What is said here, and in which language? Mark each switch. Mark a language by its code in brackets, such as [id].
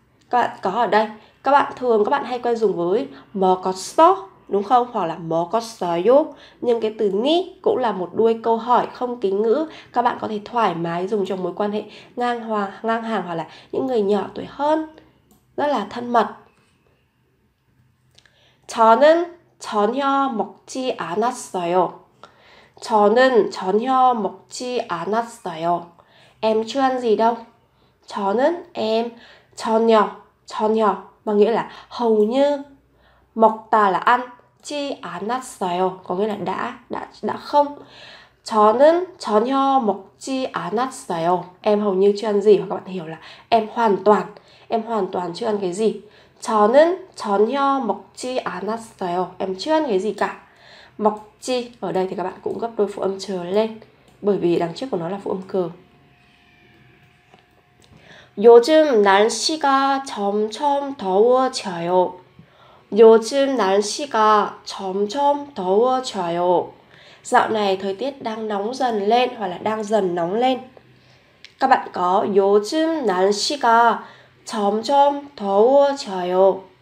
[vi] Các bạn có ở đây, các bạn thường các bạn hay quen dùng với 먹었어 đúng không, hoặc là 먹었어요, nhưng cái từ 니 cũng là một đuôi câu hỏi không kính ngữ, các bạn có thể thoải mái dùng trong mối quan hệ ngang hàng hoặc là những người nhỏ tuổi hơn, rất là thân mật. [ko] 저는 전혀 먹지 않았어요. 저는 전혀 먹지 않았어요. [vi] Em chưa ăn gì đâu. 저는 em 전혀 전혀 mà nghĩa là hầu như. 먹다 là ăn. 지 않았어요 có nghĩa là đã không. [ko] 저는 전혀 먹지 않았어요. [vi] Em hầu như chưa ăn gì, hoặc các bạn hiểu là em hoàn toàn chưa ăn cái gì. [ko] 저는 전혀 먹지 않았어요. [vi] Em chưa ăn cái gì cả. 먹지 ở đây thì các bạn cũng gấp đôi phụ âm 저 lên, bởi vì đằng trước của nó là phụ âm 그. [ko] 요즘 날씨가 점점 더워져요. 요즘 날씨가 점점 더워져요. [vi] Dạo này thời tiết đang nóng dần lên hoặc là đang dần nóng lên. Các bạn có [ko] 요즘 날씨가 점점 더워져요.